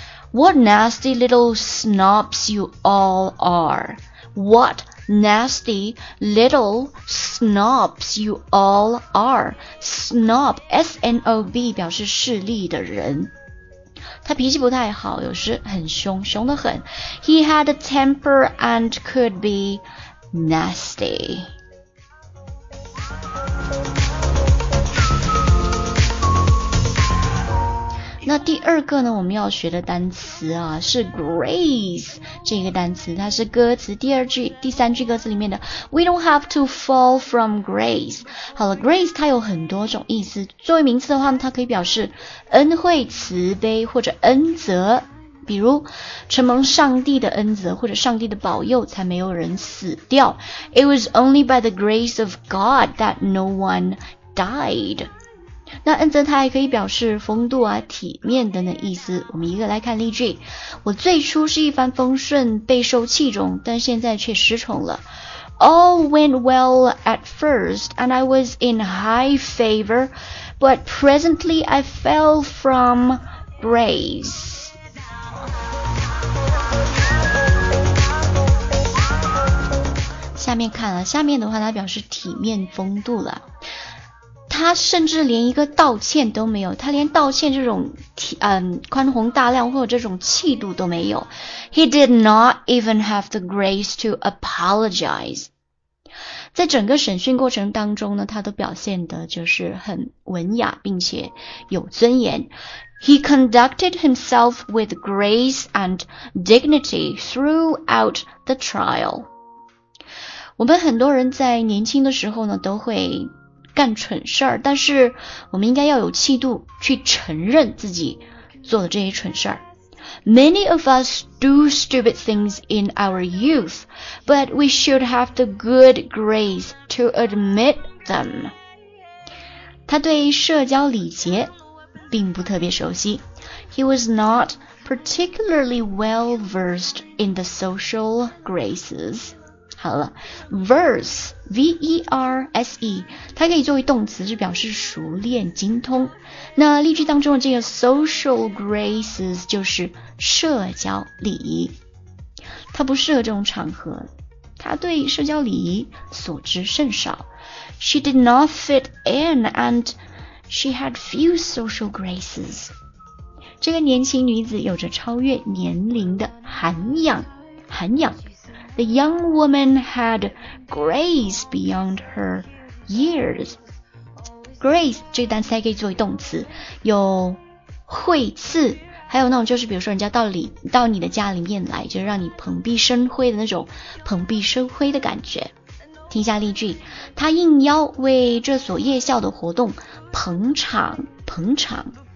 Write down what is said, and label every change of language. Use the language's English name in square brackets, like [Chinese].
[English] What nasty little snobs you all are! What? Nasty little snobs you all are. [Chinese] Snob, S-N-O-B, 表示势利的人。他脾气不太好，有时很凶，凶得很。 [English] He had a temper and could be nasty. [Chinese] 那第二个呢，我们要学的单词啊，是 grace 这个单词，它是歌词第二句、第三句歌词里面的 [English] We don't have to fall from grace. [Chinese] 好了， grace 它有很多种意思，作为名词的话呢，它可以表示恩惠、慈悲或者恩泽，比如承蒙上帝的恩泽或者上帝的保佑才没有人死掉。 [English] It was only by the grace of God that no one died. [Chinese] 那恩泽它还可以表示风度啊、体面等等意思。我们一个来看例句，我最初是一帆风顺，备受器重，但现在却失宠了。 [English] All went well at first, and I was in high favor, but presently I fell from grace. [Chinese] 下面看了，下面的话它表示体面风度了。他甚至连一个道歉都没有，他连道歉这种宽宏大量或者这种气度都没有。 [English] He did not even have the grace to apologize. [Chinese] 在整个审讯过程当中呢，他都表现得就是很文雅并且有尊严。 [English] He conducted himself with grace and dignity throughout the trial. [Chinese] 我们很多人在年轻的时候呢，都会干蠢事儿，但是我们应该要有气度去承认自己做的这些蠢事儿。 [English] Many of us do stupid things in our youth, but we should have the good grace to admit them. [Chinese] 他对社交礼节并不特别熟悉。 [English] He was not particularly well versed in the social graces. [Chinese] 好了 verse, V-E-R-S-E, 它可以作为动词，是表示熟练精通。那例句当中的这个 social graces 就是社交礼仪，它不适合这种场合，它对社交礼仪所知甚少。 [English] She did not fit in and she had few social graces. [Chinese] 这个年轻女子有着超越年龄的涵养，涵养。 [English] The young woman had grace beyond her years. [Chinese] Grace 这个单词还可以作为动词，有惠赐，还有那种就是比如说人家到你的家里面来，就是让你蓬荜生辉的那种蓬荜生辉的感觉。听一下例句，她应邀为这所夜校的活动捧场，捧场。